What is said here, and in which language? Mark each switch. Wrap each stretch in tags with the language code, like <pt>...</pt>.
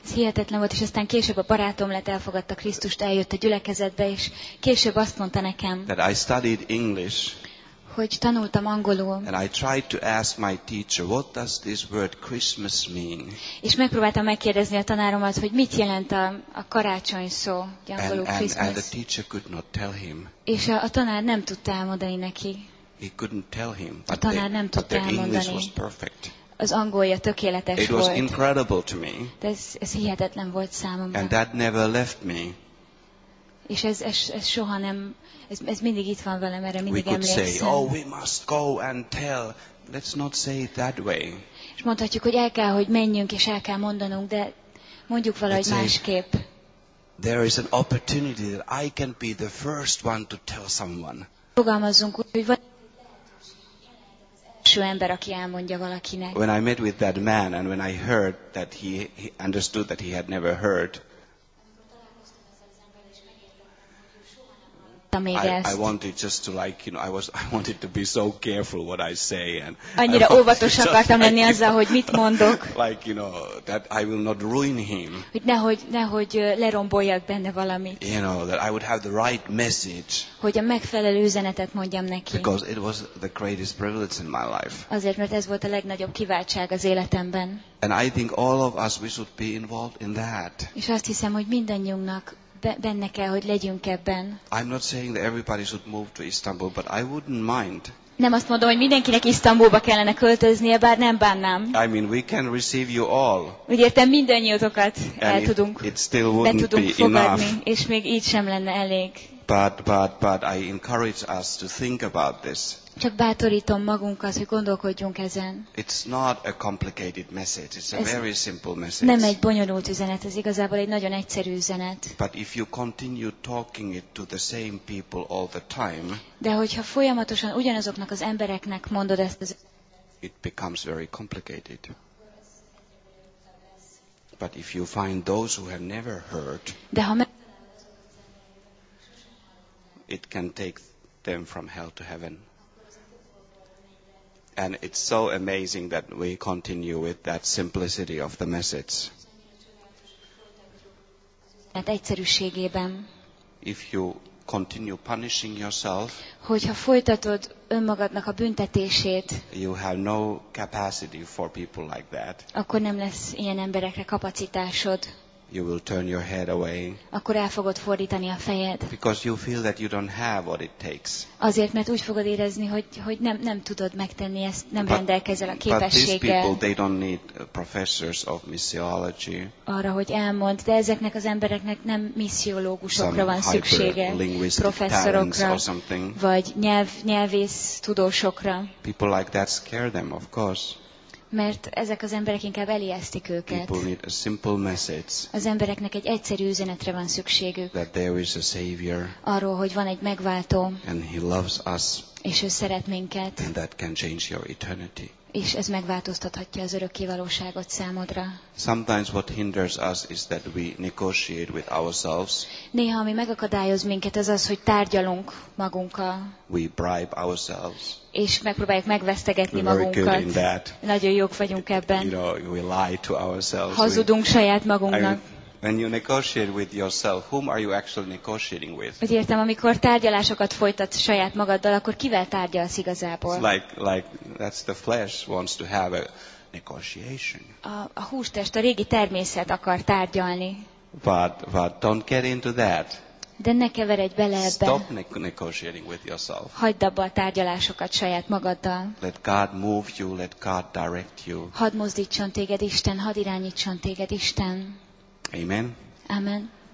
<hu>Hihetetlen volt, és aztán később a barátom lett, elfogadta Krisztust, eljött a gyülekezetbe, és később azt mondta nekem.</hu> <en>That I studied English.</en> <hu>Hogy tanultam angolul.</hu> <en>And I tried to ask my teacher, what does this word Christmas mean?</en> <hu>És megpróbáltam megkérdezni a tanáromat, hogy mit jelent a karácsony szó, angolul Christmas.</hu> <en>And the teacher could not tell him.</en> <hu>És a tanár nem tudta elmondani neki.</hu> <en>He couldn't tell him.</en> <hu>A tanár nem tudta elmondani.</hu> <en>English was perfect.</en> <hu>Az angolja tökéletes volt.</hu> <en>It was</en> <hu>volt.</hu> <en>Incredible to me.</en> <hu>De ez hihetetlen volt számomra.</hu> <en>And that never left me.</en> <hu>És ez soha nem, ez mindig itt van velem, erre mindig</hu> <en>we</en> <hu>emlékszem.</hu> <en>We could say, oh, we must go and tell. Let's not say it that way.</en> <hu>És mondhatjuk, hogy el kell, hogy menjünk, és el kell mondanunk, de mondjuk valahogy másképp.</hu> <en>There is an opportunity that I can be the first one to tell someone.</en> <hu>Fogalmazzunk úgy, hogy van első ember, aki elmondja valakinek.</hu> <en>When I met with that man and when I heard that he understood that he had never heard, I wanted just to like, you know, I wanted to be so careful what I say and.</en> <hu>Annyira óvatosan akartam lenni azzal, hogy mit mondok.</hu> <en>Like, you know, that I will not ruin him.</en> <hu>Hogy nehogy leromboljak benne valamit.</hu> <en>You know, that I would have the right message.</en> <hu>Hogy a megfelelő üzenetet mondjam neki.</hu> <en>Because it was the greatest privilege in my life.</en> <hu>Azért, mert ez volt a legnagyobb kiváltság az életemben.</hu> <en>And I think all of us we should be involved in that.</en> <hu>És azt hiszem, hogy mindannyiunknak benne kell, hogy legyünk ebben.</hu> <en>I'm not saying that everybody should move to Istanbul, but I wouldn't mind.</en> <hu>Nem azt mondom, hogy mindenkinek Isztambulba kellene költöznie, bár nem bánnám.</hu> <en>I mean, we can receive you all.</en> <hu>Úgy értem, mindannyiótokat el tudunk,</hu> <en>it still wouldn't be enough. Be</en> <hu>fogadni, és még így sem lenne elég.</hu> <en>But I encourage us to think about this.</en> <hu>Csak bátorítom magunkat, hogy gondolkodjunk ezen.</hu> <en>It's not a complicated message. It's a very simple message.</en> <hu>Nem egy bonyolult üzenet, ez igazából egy nagyon egyszerű üzenet.</hu> <en>But if you continue talking it to the same people all the time,</en> <hu>de hogyha folyamatosan ugyanazoknak az embereknek mondod ezt,</hu> <en>it becomes very complicated. But if you find those who have never heard,</en> <hu>de ha</hu> <en>it can take them from hell to heaven. And it's so amazing that we continue with that simplicity of the message.</en> <hu>Hát egyszerűségében.</hu> <en>If you continue punishing yourself,</en> <hu>hogyha folytatod önmagadnak a büntetését,</hu> <en>you have no capacity for people like that.</en> <hu>Akkor nem lesz ilyen emberekre kapacitásod.</hu> <en>You will turn your head away.</en> <hu>Akkor el fogod fordítani a fejed.</hu> <en>Because you feel that you don't have what it takes.</en> <hu>Azért, mert úgy fogod érezni, hogy nem tudod megtenni ezt, nem rendelkezel a képességgel.</hu> <en>But these people, they don't need professors of missiology.</en> <hu>Arra, hogy elmond, de ezeknek az embereknek nem missziológusokra van szüksége, professzorokra, vagy nyelvész tudósokra.</hu> <en>People like that scare them, of course.</en> <hu>Mert ezek az emberek inkább elijesztik őket.</hu> <en>People need a simple message.</en> <hu>Az embereknek egy egyszerű üzenetre van szükségük.</hu> <en>That there is a savior.</en> <hu>Arról, hogy van egy megváltó.</hu> <en>And he loves us.</en> <hu>És ő szeret minket.</hu> <en>And that can change your eternity.</en> <hu>És ez megváltoztathatja az örökké valóságot számodra.</hu> <en>Sometimes what hinders us is that we negotiate with ourselves.</en> <hu>Néha ami megakadályoz minket, az az, hogy tárgyalunk magunkkal.</hu> <en>We bribe ourselves.</en> <hu>És megpróbáljuk megvesztegetni</hu> <en>We're very</en> <hu>magunkat.</hu> <en>Good in that.</en> <hu>Nagyon jók vagyunk ebben.</hu> <en>You know, we lie to ourselves.</en> <hu>Hazudunk saját magunknak.</hu> <en>When you negotiate with yourself, whom are you actually negotiating with?</en> <hu>Úgy értem, amikor tárgyalásokat folytatsz saját magaddal, akkor kivel tárgyalsz igazából?</hu> <en>It's like that's the flesh wants to have a negotiation.</en> <hu>A hústest, a régi természet akar tárgyalni.</hu> <en>But don't get into that.</en> <hu>De ne keveredj bele ebbe.</hu> <en>Stop negotiating with yourself.</en> <hu>Hagyd abba a tárgyalásokat saját magaddal.</hu> <en>Let God move you, let God direct you.</en> <hu>Hadd mozdítson téged Isten, hadd irányítson téged Isten.</hu> <en>Amen.</en> <hu>Amen.</hu>